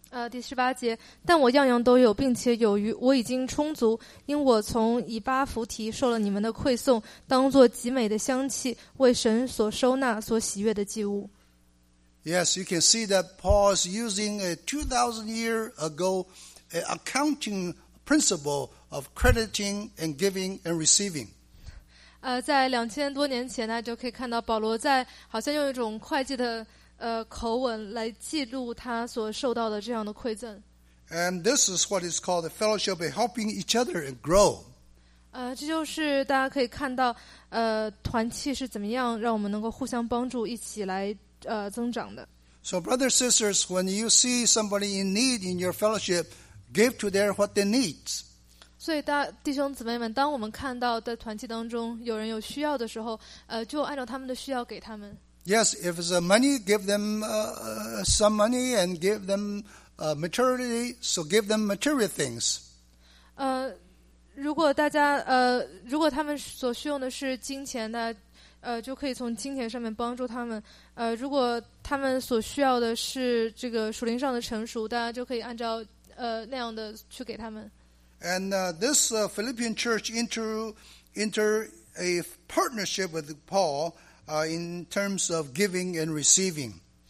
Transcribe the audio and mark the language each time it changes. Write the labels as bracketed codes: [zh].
[zh] 第18节，但我样样都有，并且有余，我已经充足，因我从以巴弗提受了你们的馈送，当作极美的香气，为神所收纳、所喜悦的祭物。 [en] Yes, you can see that Paul is using a 2,000 year ago accounting principle of crediting and giving and receiving. [zh] 在两千多年前呢，就可以看到保罗在好像用一种会计的口吻来记录他所受到的这样的馈赠。 [en] And this is what is called the fellowship of helping each other and grow. [zh] 这就是大家可以看到团契是怎么样让我们能够互相帮助，一起来增长的。 [en] So, brothers, sisters, when you see somebody in need in your fellowship, give to them what they need. [zh] 所以大弟兄姊妹们，当我们看到在团契当中有人有需要的时候，就按照他们的需要给他们。 [en] Yes, if it's money, give them some money and give them materiality. So give them material things. [zh] 如果大家如果他们所需用的是金钱呢，就可以从金钱上面帮助他们。如果他们所需要的是这个属灵上的成熟，大家就可以按照那样的去给他们。 [en] And this Philippian church enter a partnership with Paul in terms of giving and receiving.